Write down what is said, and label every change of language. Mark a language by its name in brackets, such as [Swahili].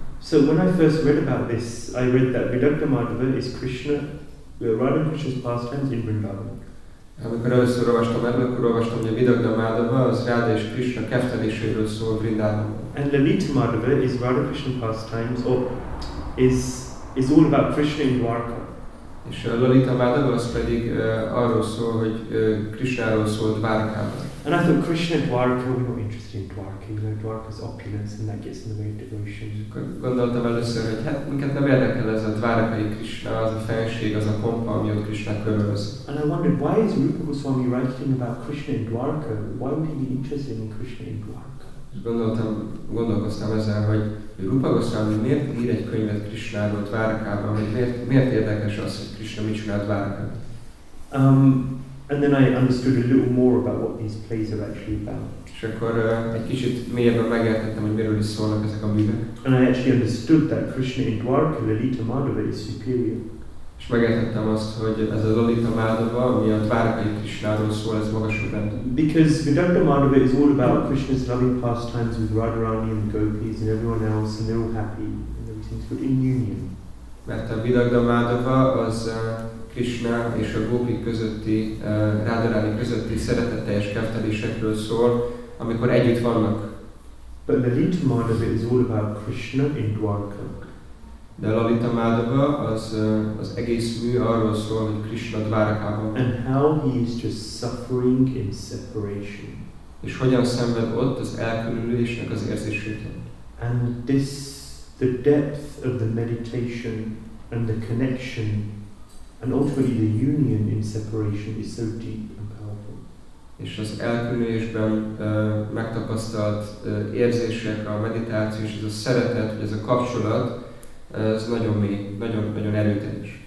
[English] So when I first read about this, I read that Vidarbha Madhava is Krishna, Radha Krishna's pastimes in Vrindavan. [Hungarian] Amikor először olvastam erről, akkor olvastam, hogy a Vidarbha Madhava az Radha és Krishna kefteléséről szól Vrindavan. [English] And Lalita Madhava is Radha Krishna's pastimes, or is all about Krishna in Dwarka. [Hungarian] És a Lalita Madhava az pedig arról szól, hogy Krishnáról szól Dwarkában. [English] And I thought Krishna and Dwarka, we're not interested in Dwarka, you know, Dwarka's opulence and that gets in the way of devotion. [Hungarian] Gondoltam először, hogy hát minket nem érdekel ez a dvárakai Krishna, az a felség, az a pompa, ami ott Krishna körülöz. [English] And I wondered, why is Rupa Goswami writing about Krishna and Dwarka? Why would he be interested in Krishna and Dwarka? [Hungarian] Gondolkoztam ezzel, hogy Rupa Goswami miért ír egy könyvet Krishnáról Dwarkában, hogy miért érdekes az, hogy Krishna mit csinál Dwarkában? [English] And then I understood a little more about what these plays are actually about. [Hungarian] És akkor egy kicsit mélyebben megértettem, hogy miről is szólnak ezek a művek. [English] And I actually understood that Krishna in Dwarka, Lalita Madhava, is superior. [Hungarian] És megértettem azt, hogy ez a Lalita Madhava, ami a Dvárkai Krisnáról szól, ez magasabb rendű. [English] Because Vidarbha Madhava is all about Krishna's loving pastimes with Radharani and gopis and everyone else, and they're all happy and everything's good in union. [Hungarian] Mert a Vidarbha Madhava az Krishna és a gópik közötti, Radharani közötti szeretetteljes kertelésekről szól, amikor együtt vannak. [English] But Lalita Madhava is all about Krishna in Dvarka. [Hungarian] De a Lalita Madhava az, az egész mű arról szól, hogy Krishna Dvárakában. [English] And how he is just suffering in separation. [Hungarian] És hogyan szenved ott az elkülönülésnek az érzésétől. [English] And this, the depth of the meditation and the connection and ultimately the union in separation is so deep and powerful. [Hungarian] És az elkülönülésben megtapasztalt érzések, a meditáció és ez a szeretet, vagy ez a kapcsolat, ez nagyon mély, nagyon, nagyon erőteljes.